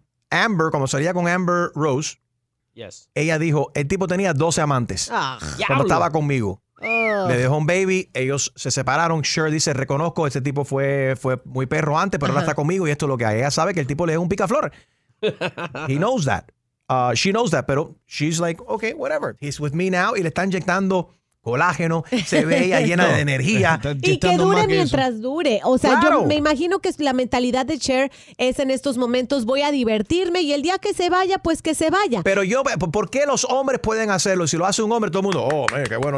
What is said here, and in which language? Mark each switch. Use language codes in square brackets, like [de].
[es] Amber, cuando salía con Amber Rose, ella dijo, el tipo tenía 12 amantes cuando estaba conmigo. Le dejó un baby, ellos se separaron. Cher dice, reconozco, este tipo fue muy perro antes, pero ahora está conmigo y esto es lo que hay. Ella sabe que el tipo le es un picaflor. [en] He knows that. She knows that, pero she's like, okay, whatever. He's with me now. [es] Y le está inyectando colágeno, se ve ella llena de energía. Y que dure mientras dure. O sea, yo me imagino que la mentalidad de Cher es en estos momentos voy a divertirme y el día que se vaya, pues que se vaya. Pero yo, ¿por qué los hombres pueden hacerlo? Si lo hace un hombre, todo el mundo, oh, man, qué bueno.